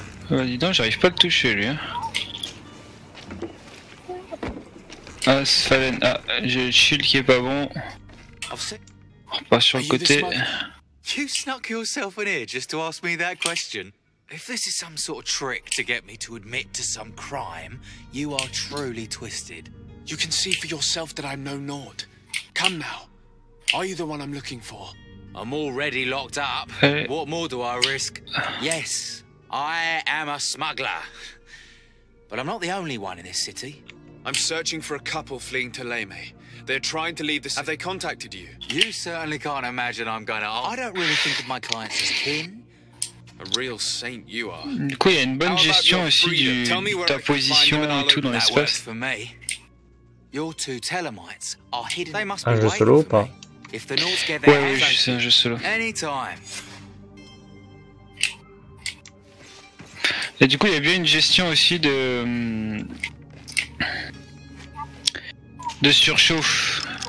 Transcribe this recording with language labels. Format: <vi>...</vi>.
<fr>Bah, dis donc, j'arrive pas à le toucher lui. Hein. Ah, Sphalen. Ah, j'ai le shield qui est pas bon. On repart sur le côté.</fr> <en>You snuck yourself in here just to ask me that question. If this is some sort of trick to get me to admit to some crime, you are truly twisted. You can see for yourself that I'm no Nord. Come now. Are you the one I'm looking for? I'm already locked up. What more do I risk? Yes, I am a smuggler. But I'm not the only one in this city. I'm searching for a couple fleeing to Leme. They're trying to leave the city. Have they contacted you? You certainly can't imagine I'm gonna... I don't really think of my clients as kin. A real saint you are.</en> <fr>Du coup, il y a une bonne gestion aussi de ta position et tout dans l'espace.</fr> <en>Your two telemites are hidden. They must be waiting for me. If the Nords get their hands on you, anytime.</en> <fr>Et du coup, il y a bien une gestion aussi de surchauffe.</fr>